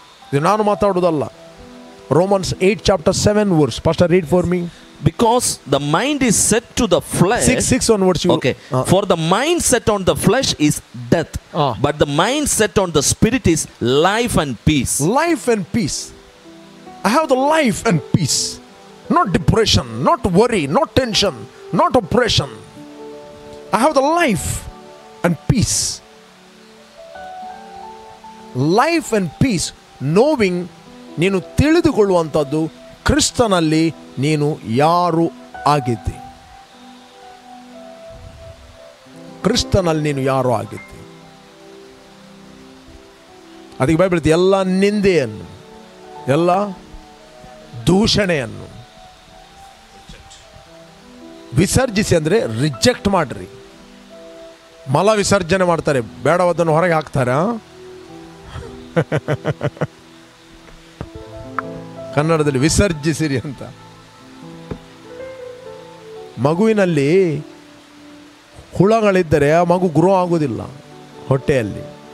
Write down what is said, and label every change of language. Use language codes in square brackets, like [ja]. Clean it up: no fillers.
[kn] ಇದು ನಾನು ಮಾತಾಡೋದಲ್ಲ, Romans 8 chapter 7 verse. [en] First read for me. Because the mind is set to the flesh. 6 one words. Okay. For the mind set on the flesh is death, but the mind set on the spirit is life and peace. Life and peace. I have the life and peace. Not depression, not worry, not tension, not oppression. I have the life and peace. Life and peace, knowing [kn] ninu tilidukolluvantadu Christanalli ninu yaru agiddi. Christanalli ninu yaru agiddi. Adige Bible idu ella nindeyannu, ella dushaneyannu ವಿಸರ್ಜಿಸಿ ಅಂದರೆ reject ಮಾಡಿರಿ. ಮಲ ವಿಸರ್ಜನೆ ಮಾಡ್ತಾರೆ, ಬೇಡವದನ್ನು ಹೊರಗೆ ಹಾಕ್ತಾರೆ. ಕನ್ನಡದಲ್ಲಿ ವಿಸರ್ಜಿಸಿರಿ ಅಂತ. ಮಗುವಿನಲ್ಲಿ ಹುಳಗಳಿದ್ದರೆ ಆ ಮಗು ಗ್ರೋ ಆಗೋದಿಲ್ಲ ಹೊಟ್ಟೆಯಲ್ಲಿ.